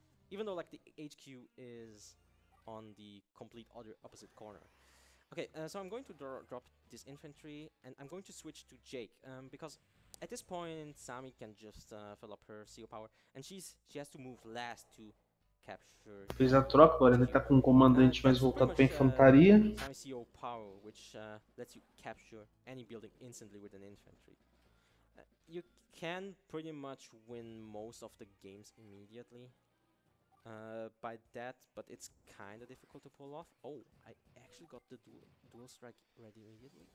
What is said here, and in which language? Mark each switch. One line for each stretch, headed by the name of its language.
English: Even though like the HQ is on the complete other opposite corner. Okay, so I'm going to drop this infantry and I'm going to switch to Jake. Because at this point Sami can just fill up her CO power and she has to move last to
Portuguese: fez a troca, agora ele tá com um comandante mais voltado pra infantaria.
English: ICO power, which lets you capture any building instantly with an infantry. You can pretty much win most of the games immediately by that, but it's kind of difficult to pull off. Oh, I actually got the dual strike ready immediately.